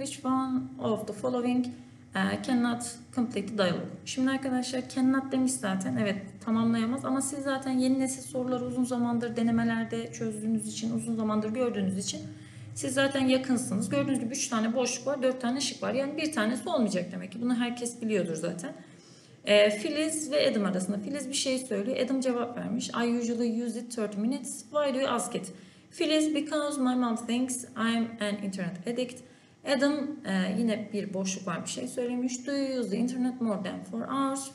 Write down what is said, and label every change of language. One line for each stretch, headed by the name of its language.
English: Which one of the following cannot complete the dialogue?
Turkish: Şimdi arkadaşlar cannot demiş zaten. Evet, tamamlayamaz. Ama siz zaten yeni nesil soruları uzun zamandır denemelerde çözdüğünüz için, uzun zamandır gördüğünüz için siz zaten yakınsınız. Gördüğünüz gibi 3 tane boşluk var, 4 tane şık var. Yani bir tanesi olmayacak demek ki. Bunu herkes biliyordur zaten. Filiz ve Adam arasında. Filiz bir şey söylüyor. Adam cevap vermiş.
English: I usually use it 30 minutes. Why do you ask it? Filiz, because my mom thinks I'm an internet addict.
Turkish: Adam yine bir boşluk var, bir şey söylemiş.
English: Do you use the internet more than 4 hours?